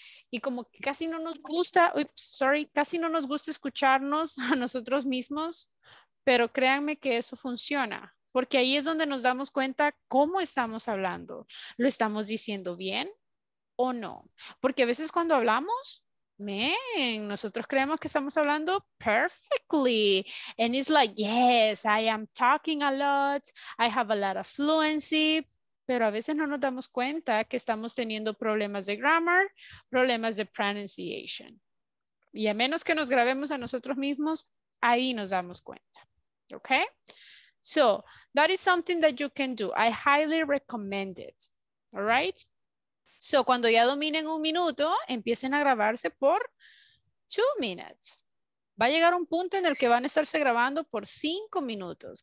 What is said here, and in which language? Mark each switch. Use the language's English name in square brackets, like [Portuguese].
[Spanish] Y como casi no nos gusta, casi no nos gusta escucharnos a nosotros mismos, pero créanme que eso funciona. Porque ahí es donde nos damos cuenta cómo estamos hablando. ¿Lo estamos diciendo bien o no? Porque a veces cuando hablamos, man, nosotros creemos que estamos hablando perfectly. [English] And it's like, yes, I am talking a lot. I have a lot of fluency. [Spanish] Pero a veces no nos damos cuenta que estamos teniendo problemas de grammar, problemas de pronunciation. Y a menos que nos grabemos a nosotros mismos, ahí nos damos cuenta. [English] Okay. So that is something that you can do. I highly recommend it. All right. [Spanish] So cuando ya dominen un minuto, empiecen a grabarse por 2 minutes. Va a llegar un punto en el que van a estarse grabando por 5 minutos.